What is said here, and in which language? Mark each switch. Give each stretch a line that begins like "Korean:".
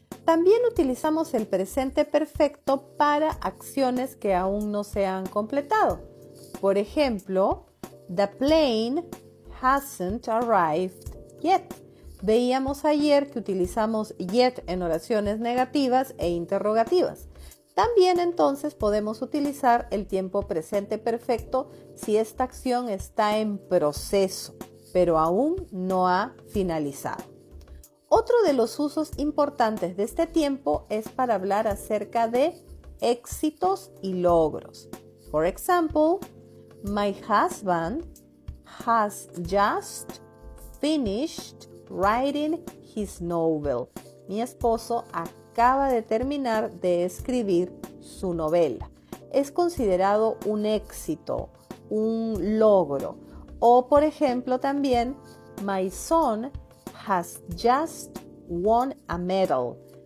Spanish: También utilizamos el presente perfecto para acciones que aún no se han completado. Por ejemplo,
English: the plane hasn't arrived yet.
Spanish: Veíamos ayer que utilizamos yet en oraciones negativas e interrogativas. También entonces podemos utilizar el tiempo presente perfecto si esta acción está en proceso, pero aún no ha finalizado. Otro de los usos importantes de este tiempo es para hablar acerca de éxitos y logros.
English: For example, my husband has just finished writing his novel.
Spanish: Mi esposo acaba de terminar de escribir su novela. Es considerado un éxito, un logro. O, por ejemplo, también,
English: my son has just won a medal.